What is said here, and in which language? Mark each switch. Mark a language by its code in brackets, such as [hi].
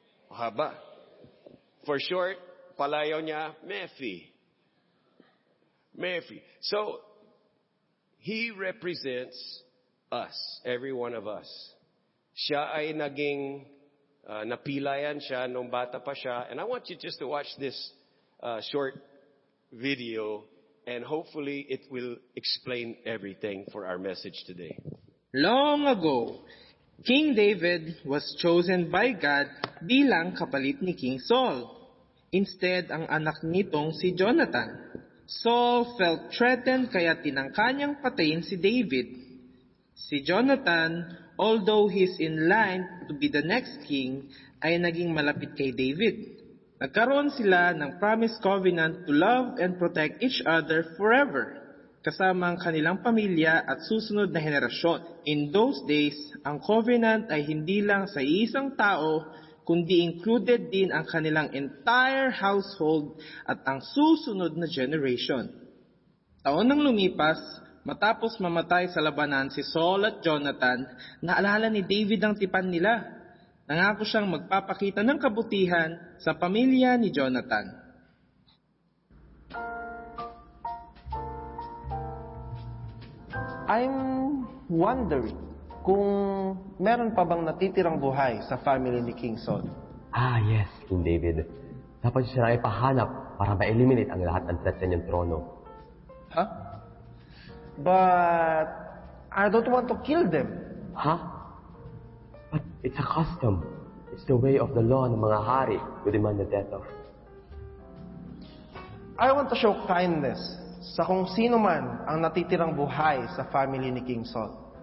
[tl] Haba. [en] For short, [tl] palayaw niya, Mephi. [en] So, he represents us, every one of us. [tl] Siya ay naging napilayan siya nung bata pa siya. [en] And I want you just to watch this short video, and hopefully it will explain everything for our message today. Long ago, King David was chosen by God [tl] bilang kapalit ni [en] King Saul. [tl] Instead, ang anak nitong si Jonathan. [en] Saul felt threatened [tl] kaya tinangka niyang patayin si David. [en] Si Jonathan, although he's in line to be the next king, [tl] ay naging malapit kay [en] David. [tl] Nagkaroon sila ng [en] promise covenant to love and protect each other forever, [tl] kasama ang kanilang pamilya at susunod na henerasyon. [en] In those days, [tl] ang covenant ay hindi lang sa isang tao, kundi included din ang kanilang entire household at ang susunod na generation. Taon nang lumipas, matapos mamatay sa labanan si Saul at Jonathan, naalala ni David ang tipan nila. Nangako siyang magpapakita ng kabutihan sa pamilya ni Jonathan. [en] I'm wondering [tl] kung meron pa bang natitirang buhay sa family ni King Saul. [en] Ah, yes, King David. [tl] Dapat siya na ipahanap para ma-eliminate ang lahat ng threat sa inyong trono. Huh? [en] But I don't want to kill them. Huh? But it's a custom. It's the way of the law [tl] ng mga hari [en] to demand the death of. I want to show kindness [tl] sa kung sino man ang natitirang buhay sa family ni King Saul.